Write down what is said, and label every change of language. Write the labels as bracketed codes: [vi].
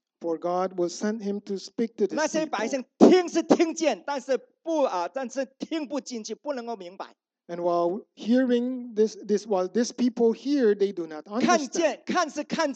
[en] For God will send him to speak to the [zh] 那些百姓听是听见，但是听不进去，不能够明白。 [en] And while hearing while these people hear, they do not understand.